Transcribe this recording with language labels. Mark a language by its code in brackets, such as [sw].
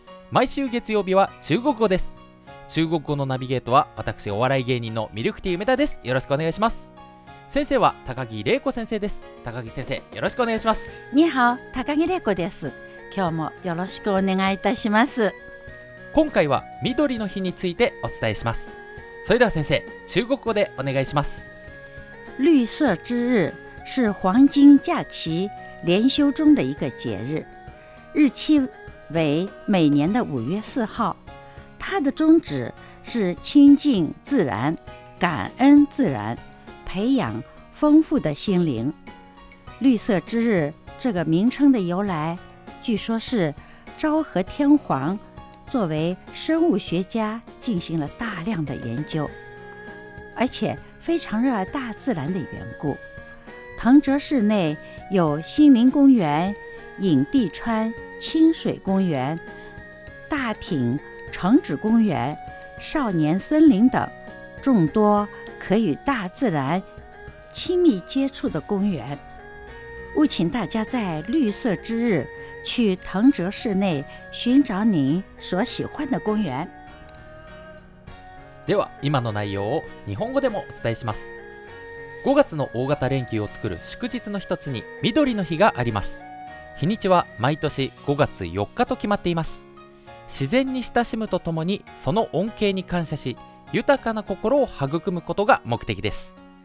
[ja] 毎週月曜日は中国語です。中国語のナビゲートは私お笑い芸人のミルクティー梅田です。よろしくお願いします。先生は高木玲子先生です。高木先生よろしくお願いします。 [zh] 你好、 [ja] 高木玲子です。今日もよろしくお願いいたします。今回は緑の日についてお伝えします。それでは先生、中国語でお願いします。 [zh] 绿色之日是黄金假期连休中的一个节日，日期为每年的5月4号。它的宗旨是亲近自然，感恩自然，培养丰富的心灵。绿色之日这个名称的由来，据说是昭和天皇作为生物学家进行了大量的研究，而且非常热爱大自然的缘故。藤泽市内有心灵公园、影地川清水公园、大挺城址公园、少年森林等众多可与大自然亲密接触的公园。务请大家在绿色之日去藤泽市内寻找您所喜欢的公园。 [ja] では今の内容を日本語でもお伝えします。5月の大型連休を作る祝日の一つに緑の日があります。日にちは毎年5月4日と決まっています。自然に親しむとともにその恩恵に感謝し豊かな心を育むことが目的です。